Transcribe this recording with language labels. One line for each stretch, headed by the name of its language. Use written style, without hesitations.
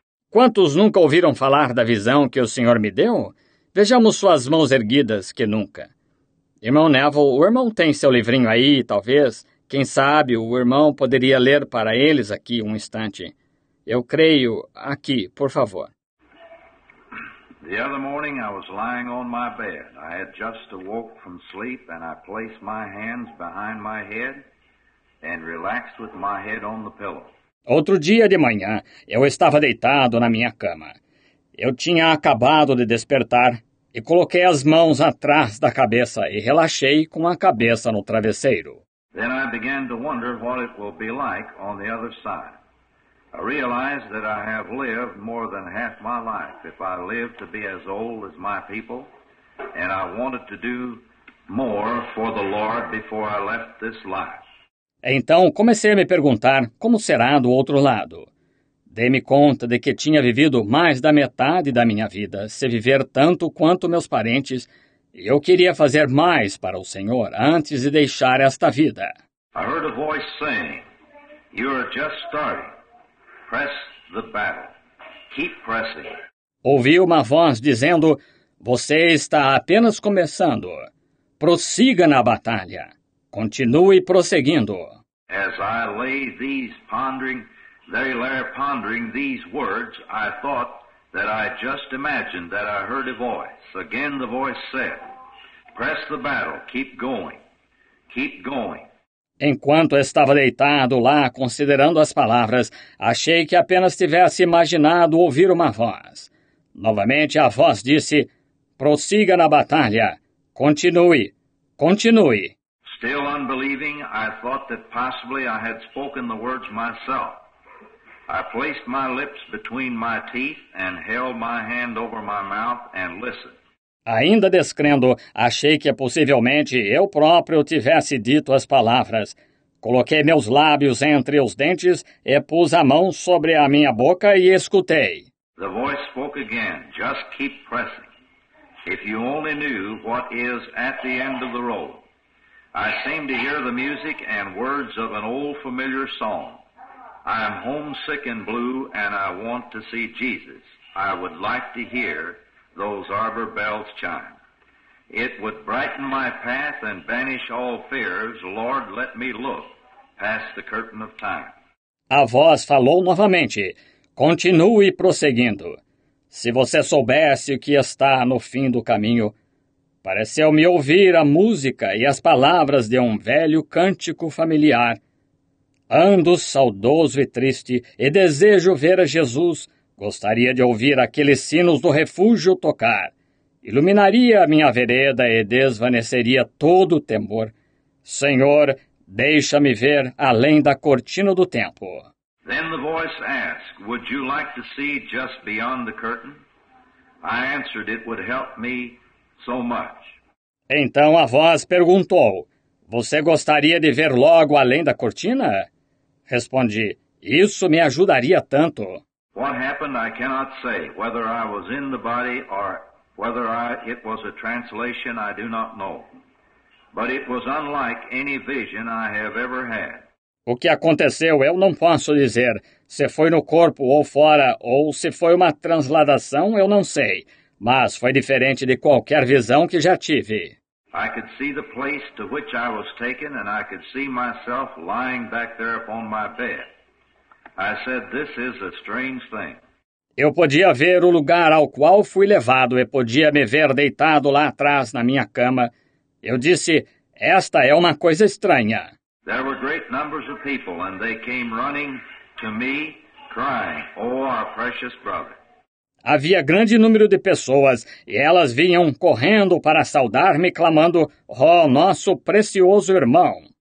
Portuguese: Quantos nunca ouviram falar da visão que o senhor me deu? Vejamos suas mãos erguidas que nunca. Irmão Neville, o irmão tem seu livrinho aí, talvez. Quem sabe o irmão poderia ler para eles aqui um instante. Eu creio aqui, por favor.
English: The other morning I was lying on my bed. I had just awoke from sleep and I placed my hands behind my head and relaxed with my head on the pillow.
Portuguese: Outro dia de manhã, eu estava deitado na minha cama. Eu tinha acabado de despertar e coloquei as mãos atrás da cabeça e relaxei com a cabeça no travesseiro.
English: Then I began to wonder what it will be like on the other side. I realized that I have lived more than half my life. If I live to be as old as my people, and I wanted to do more for the Lord before I left this life.
Portuguese: Então, comecei a me perguntar como será do outro lado. Dei-me conta de que tinha vivido mais da metade da minha vida se viver tanto quanto meus parentes, e eu queria fazer mais para o Senhor antes de deixar esta vida.
English: I heard a voice saying, "You are just starting. Press the battle. Keep pressing."
Portuguese: Ouvi uma voz dizendo, "Você está apenas começando. Prossiga na batalha." Continue prosseguindo.
English: As I lay these pondering, they lay pondering these words, I thought that I just imagined that I heard a voice. Again the voice said, "Press the battle, keep going, keep going."
Portuguese: Enquanto estava deitado lá, considerando as palavras, achei que apenas tivesse imaginado ouvir uma voz. Novamente a voz disse, "Prossiga na batalha, continue, continue."
English: Still unbelieving, I thought that possibly I had spoken the words myself. I placed my lips between my teeth and held my hand over my mouth and listened.
Portuguese: Ainda descrendo, achei que possivelmente eu próprio tivesse dito as palavras. Coloquei meus lábios entre os dentes e pus a mão sobre a minha boca e escutei.
English: The voice spoke again. Just keep pressing. If you only knew what is at the end of the road. I seem to hear the music and words of an old familiar song. I am homesick and blue, and I want to see Jesus. I would like to hear those arbor bells chime. It would brighten my path and banish all fears. Lord, let me look past the curtain of time.
Portuguese: A voz falou novamente. Continue prosseguindo. Se você soubesse o que está no fim do caminho... Pareceu-me ouvir a música e as palavras de um velho cântico familiar. Ando saudoso e triste e desejo ver a Jesus. Gostaria de ouvir aqueles sinos do refúgio tocar. Iluminaria a minha vereda e desvaneceria todo o temor. Senhor, Deixa-me ver além da cortina do tempo.
English: Then the voice asked, would you like to see just beyond the curtain? I answered, it would help me so much.
Portuguese: Então a voz perguntou, você gostaria de ver logo além da cortina? Respondi, isso me ajudaria tanto.
English: What happened, I cannot say. Whether I was in the body or whether it was a translation, I do not know. But it was unlike any vision I have ever had.
Portuguese: O que aconteceu, eu não posso dizer. Se foi no corpo ou fora, ou se foi uma transladação, eu não sei. Mas foi diferente de qualquer visão que já tive.
English: I could see the place to which I was taken, and I could see myself lying back there upon my bed. I said, this is a strange thing.
Portuguese: Eu podia ver o lugar ao qual fui levado e podia me ver deitado lá atrás na minha cama. Eu disse, esta é uma coisa estranha.
English: There were great numbers of people, and they came running to me, crying, oh, our precious brother.
Portuguese: Havia grande número de pessoas, e elas vinham correndo para saudar-me, clamando, oh, nosso precioso irmão.